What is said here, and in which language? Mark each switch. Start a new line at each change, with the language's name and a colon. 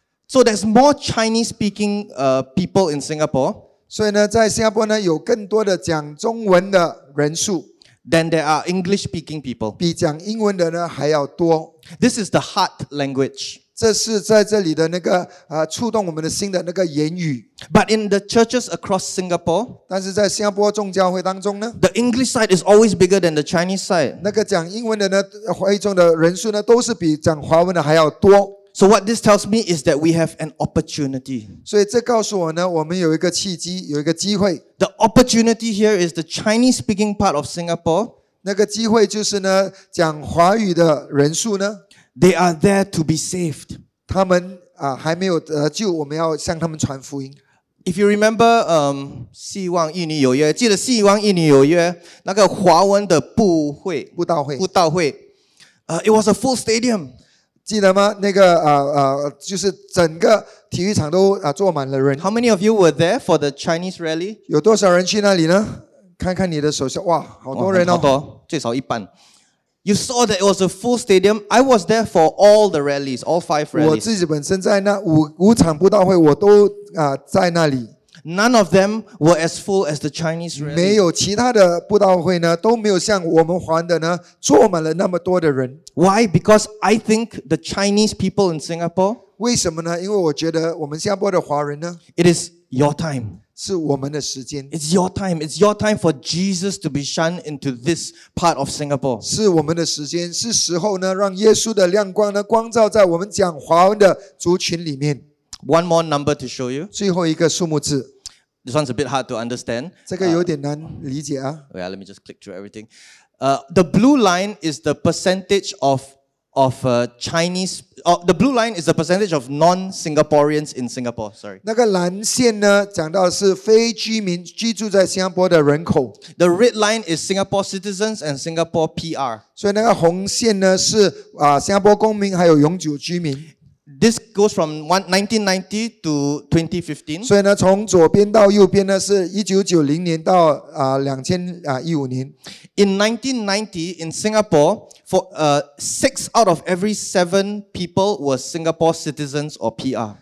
English: So there's more Chinese speaking people in Singapore.
Chinese: 所以呢在新加坡呢有更多的讲中文的人数。
English: Than there are English speaking people.
Chinese: 比讲英文的呢还要多。
English: This is the heart language.
Chinese: 这是在这里的那个触动我们的心的那个言语。
English: But in the churches across Singapore,
Chinese: 但是在新加坡众教会当中呢
English: ，the English side is always bigger than the Chinese side.
Chinese: 那个讲英文的呢，华语中的人数呢，都是比讲华文的还要多。
English: So what this tells me is that we have an opportunity.
Chinese: 所以这告诉我呢，我们有一个契机，有一个机会。
English: The opportunity here is the Chinese-speaking part of Singapore.
Chinese: 那个机会就是呢，讲华语的人数呢。
English: They are there to be saved.
Chinese: 他们还没有得救，我们要向他们传福音。
English: If you remember,
Chinese: 希望印尼有约，记得希望印尼有约那个华文的布道会
English: it was a full stadium.
Chinese: 记得吗？那个就是整个体育场都坐满了人。
English: How many of you were there for the Chinese rally?
Chinese: 有多少人去那里呢？看看你的手下，哇，好多人哦，很多，最少一半。
English: You saw that it was a full stadium. I was there for all the rallies, all five rallies.
Chinese: 我自己本身在那五场布道会，我都在那里。
English: None of them were as full as the Chinese rally.
Chinese: 没有其他的布道会呢，都没有像我们华的呢，坐满了那么多的人。
English: Why? Because I think the Chinese people in Singapore.
Chinese: 为什么呢？因为我觉得我们新加坡的华人呢。
English: It is your time.
Chinese: 是我们的时间。
English: It's your time. It's your time for Jesus to be shined into this part of Singapore.
Chinese: 是我们的时间，是时候呢，让耶稣的亮光呢，光照在我们讲华文的族群里面。
English: One more number to show you.
Chinese: 最后一个数目字。
English: This one's a bit hard to understand.
Chinese: 这个有点难理解啊。
English: Yeah, let me just click through everything. The blue line is the percentage of Chinese, the blue line is the percentage of non-Singaporeans in Singapore. Sorry.
Chinese: 那个蓝线呢，讲到是非居民居住在新加坡的人口。
English: The red line is Singapore citizens and Singapore PR.
Chinese: 所以那个红线呢是新加坡公民还有永久居民。
English: This goes from 1990 to 2015.
Chinese: 所以呢，从左边到右边呢，是1990年到2015年。
English: In 1990, in Singapore, for 6 out of every 7 people were Singapore citizens or PR.